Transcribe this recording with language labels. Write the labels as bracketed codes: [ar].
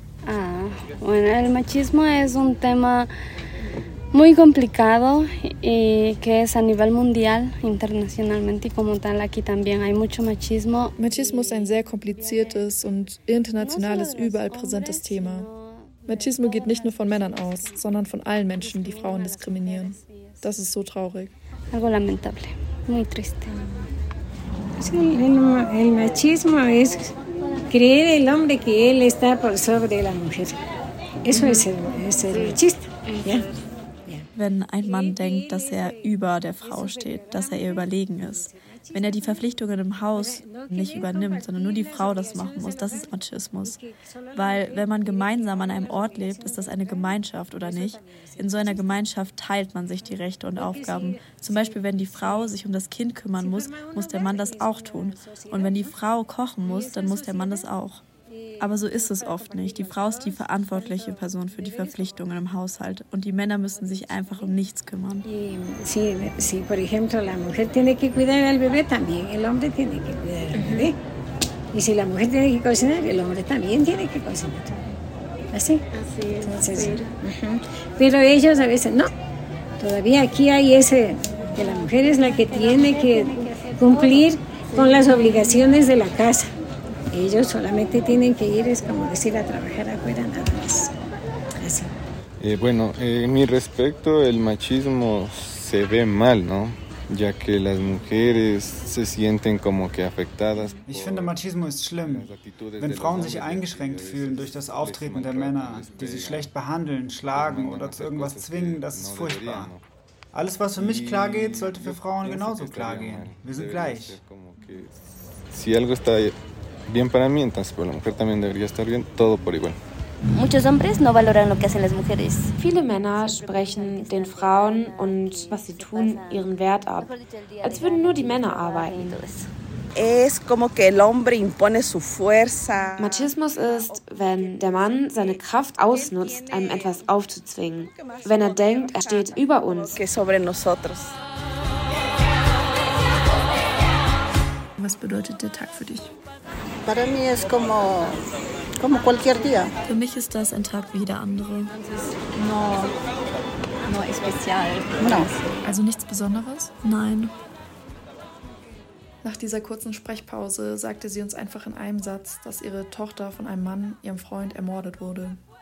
[es] Ah, bueno, el machismo es un tema muy complicado y que es a nivel mundial, internacionalmente y como tal aquí también hay mucho machismo. [de] Machismo [es] es un [de] sehr kompliziertes und internationales, überall präsentes Thema. Machismo geht nicht nur von Männern aus, sondern von allen Menschen, die Frauen diskriminieren. Das ist so traurig. [es] Algo lamentable, muy triste. Sí, el machismo es creer el hombre que él está por sobre la mujer. Eso es el machista. [de] Wenn ein Mann denkt, dass er über der Frau steht, dass er ihr überlegen ist, wenn er die Verpflichtungen im Haus nicht übernimmt, sondern nur die Frau das machen muss, das ist Machismus. Weil wenn man gemeinsam an einem Ort lebt, ist das eine Gemeinschaft, oder nicht? In so einer Gemeinschaft teilt man sich die Rechte und Aufgaben. Zum Beispiel, wenn die Frau sich um das Kind kümmern muss, muss der Mann das auch tun. Und wenn die Frau kochen muss, dann muss der Mann das auch. Aber so ist es oft nicht. Die Frau ist die verantwortliche Person für die Verpflichtungen im Haushalt und die Männer müssen sich einfach um nichts kümmern. [es] Sí, sí, por ejemplo, la mujer tiene que cuidar al bebé también, el hombre tiene que cuidar al bebé. Y si la mujer tiene que cocinar, el hombre también tiene que cocinar. Así. Así es. Pero ellos a veces no. Todavía aquí hay ese que la mujer es la que tiene que cumplir con las obligaciones de la casa. Ellos solamente tienen que ir, es como decir, a trabajar afuera, nada más. Así. Bueno, en mi respecto, el machismo se ve mal, ¿no? Ya que las mujeres se sienten como que afectadas. [de] Ich finde, Machismo ist schlimm. Wenn Frauen sich eingeschränkt fühlen durch das Auftreten der Männer, die sie schlecht behandeln, schlagen oder zu irgendwas zwingen, das ist furchtbar. Alles, was für mich klar geht, sollte für Frauen genauso klar gehen. Wir sind gleich. [es] Si algo está bien para mí, entonces para la mujer también debería estar bien, todo por igual. Muchos hombres no valoran lo que hacen las mujeres. [de] Viele Männer sprechen den Frauen und was sie tun ihren Wert ab, als würden nur die Männer arbeiten. [es] Es como que el hombre impone su fuerza. [de] Machismus ist, wenn der Mann seine Kraft ausnutzt, einem etwas aufzuzwingen, wenn er denkt, er steht über uns. [es] Que sobre nosotros. [de] Was bedeutet der Tag für dich? [es] Para mí es como, como cualquier día. [de] Für mich ist das ein Tag wie jeder andere. [es] No especial. No. [de] Also nichts Besonderes? Nein. Nach dieser kurzen Sprechpause sagte sie uns einfach in einem Satz, dass ihre Tochter von einem Mann, ihrem Freund, ermordet wurde.